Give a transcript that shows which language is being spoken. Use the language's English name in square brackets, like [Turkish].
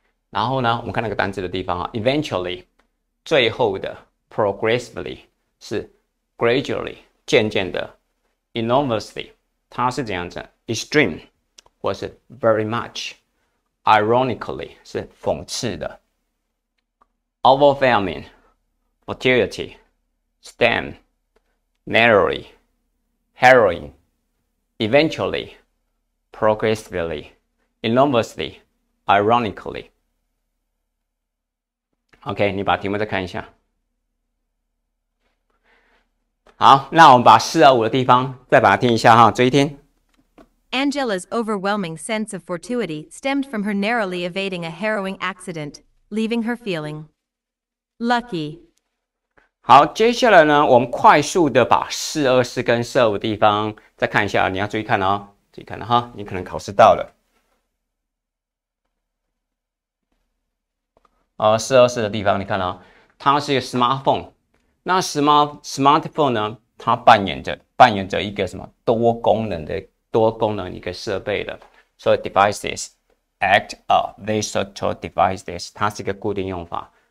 [Chinese] 然后呢，我们看那个单字的地方啊， eventually 最后的， progressively 是 gradually 渐渐的， enormously 它是怎样子， extreme 或是 [English] very much。 [Chinese] ironically 是讽刺的。 [English] Overwhelming, fertility, stem, narrowly, harrowing, eventually, progressively, enormously, ironically. [Chinese] OK, 你把题目再看一下。好，那我们把四二五的地方再把它听一下哈，注意听。 [English] Angela's overwhelming sense of fortuity stemmed from her narrowly evading a harrowing accident, leaving her feeling. Lucky。 [Chinese] 好，接下来呢，我们快速的把四二四跟四二五的地方再看一下，你要注意看哦，注意看了哈，你可能考试到了。四二四的地方，你看哦，它是一个 smartphone， 那 smartphone 呢，它扮演着一个什么多功能一个设备的，所以 devices [English] act of these sort of devices， [Chinese] 它是一个固定用法。